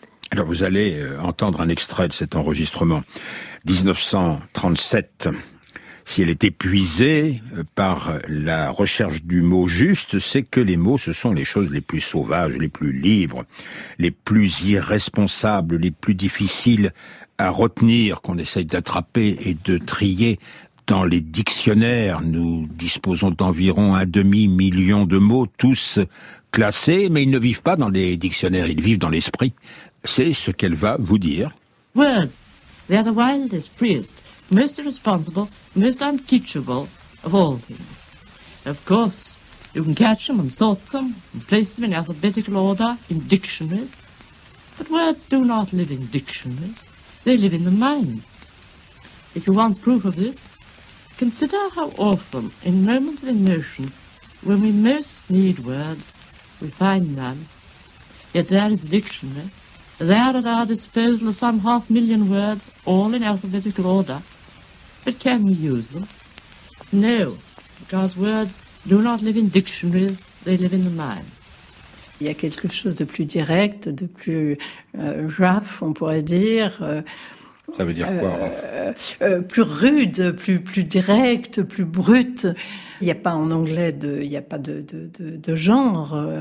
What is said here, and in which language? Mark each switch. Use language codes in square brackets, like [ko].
[fr] Alors vous allez entendre un extrait de cet enregistrement. 1937, si elle est épuisée par la recherche du mot juste, c'est que les mots, ce sont les choses les plus sauvages, les plus libres, les plus irresponsables, les plus difficiles à retenir, qu'on essaye d'attraper et de trier. Dans les dictionnaires, nous disposons d'environ 500 000 de mots, tous classés, mais ils ne vivent pas dans les dictionnaires, ils vivent dans l'esprit. C'est ce qu'elle va vous dire. [en] Words, they are the wildest, freest, most irresponsible, most unteachable of all things. Of course, you can catch them and sort them and place them in alphabetical order in dictionaries. But words do not live in dictionaries, they live in the mind. If you want proof of this, consider how often, in moments of emotion, when we most need words, we find none. Yet there is a dictionary. There at our disposal are some 500,000 words, all in alphabetical order. But can we use them? No, because words do not live in dictionaries, they live in the mind. [fr] Il y a quelque chose de plus direct, de plus rough, on pourrait dire. Ça veut dire quoi, Raph? Plus rude, plus direct, plus brut. Il n'y a pas en anglais de, il n'y a pas de, de genre.